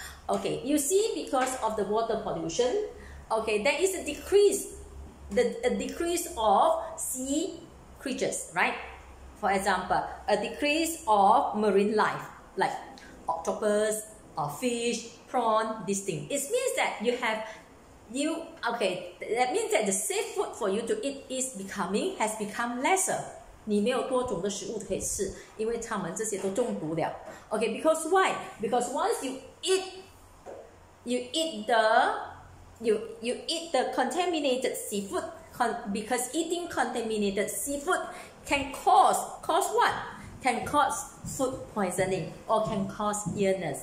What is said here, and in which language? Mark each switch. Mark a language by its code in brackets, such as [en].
[en] Okay, you see, because of the water pollution, okay, there is a decrease of sea creatures, right? For example, a decrease of marine life, like octopus or fish, prawn, this thing. It means that that means that the safe food for you to eat has become lesser. [zh] 你没有多种的食物可以吃, 因为他们这些都中毒了. [en] Okay, because why? Because once you eat the contaminated seafood, because eating contaminated seafood can cause what? Can cause food poisoning or can cause illness.